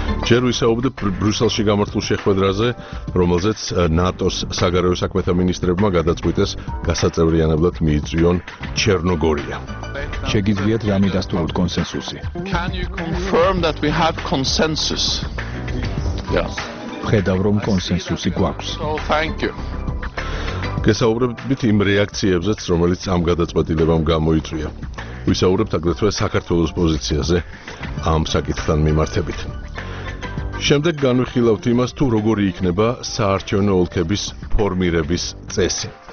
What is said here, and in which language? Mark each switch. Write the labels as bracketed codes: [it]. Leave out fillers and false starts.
[ka] ჯერ ვისაუბრებთ ბრიუსელში გამართულ შეხვედრაზე, რომელზეც ნატოს საგარეო საქმეთა მინისტრებმა გადაწყვიტეს გასაწევრიანებლად მიიწვიონ ჩერნოგორია. შეგიძლიათ რამე დასტურდეთ კონსენსუსი? [en] Can you confirm that we have consensus? Yes. [ka] ხედავ რომ კონსენსუსი გვაქვს. [en] Thank you. [ka] გესაუბრებით იმ რეაქციებზეც, რომელიც ამ გადაწყვეტილებამ გამოიწვია. ვისაუბრებთ აგრეთვე საქართველოს პოზიციაზე ამ საკითხთან მიმართებით. შემდეგ განვიხილავთ იმას, თუ როგორი იქნება საარჩევნო ოლქების ფორმირების წესი.